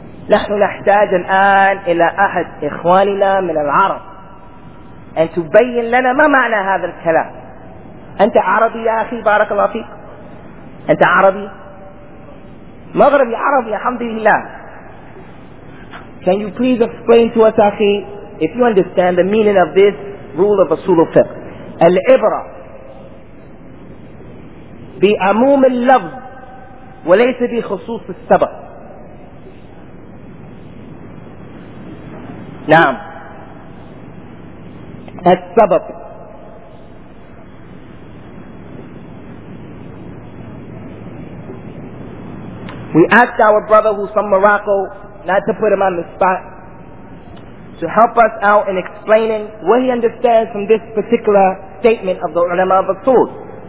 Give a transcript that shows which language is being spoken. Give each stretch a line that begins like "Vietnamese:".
Arabic: نحن نحتاج الآن إلى أحد إخواننا من العرب أن تبين لنا ما معنى هذا الكلام. أنت عربي يا أخي بارك الله فيك؟ أنت عربي؟ مغربي عربي الحمد لله.
English: Can you please explain to us أخي if you understand the meaning of this rule of أصول الفقه.
Arabic: العبرة بأموم اللفظ وليس بخصوص السبب. نعم السبب
English: We asked our brother who's from Morocco not to put him on the spot to help us out in explaining what he understands from this particular statement of the ulama of Asul